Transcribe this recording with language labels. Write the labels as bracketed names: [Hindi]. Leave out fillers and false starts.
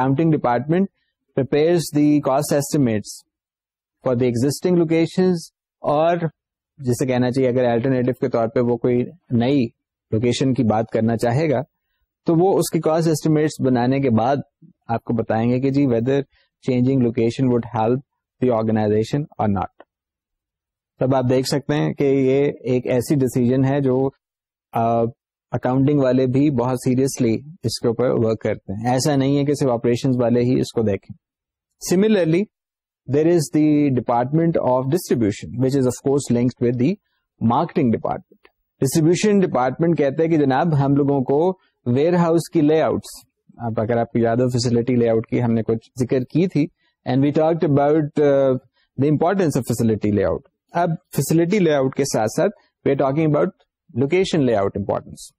[English] accounting department prepares the cost estimates for the existing locations, [Urdu] اور جسے کہنا چاہیے اگر الٹرنیٹو کے طور پہ وہ کوئی نئی لوکیشن کی بات کرنا چاہے گا تو وہ اس کے کاسٹ ایسٹیمیٹس بنانے کے بعد آپ کو بتائیں گے کہ جی [English] Whether changing location would help the organization اور not. [Urdu] تب آپ دیکھ سکتے ہیں کہ یہ ایک ایسی ڈیسیجن ہے جو اکاؤنٹنگ والے بھی بہت سیریسلی اس کے اوپر ورک کرتے ہیں, ایسا نہیں ہے کہ صرف آپریشن والے ہی اس کو دیکھیں. [English] Similarly there is the department of distribution which is of course linked with the marketing department. [Urdu] Distribution department کہتے ہیں کہ جناب ہم لوگوں کو warehouse کی لے آؤٹس, اب اگر آپ کو یاد ہو فیسلٹی لے آؤٹ کی ہم نے کچھ ذکر کی تھی, [English] And we talked about the importance of facility layout. [Urdu] اب فیسلٹی لے آؤٹ کے ساتھ ساتھ [English] We are talking about location layout importance.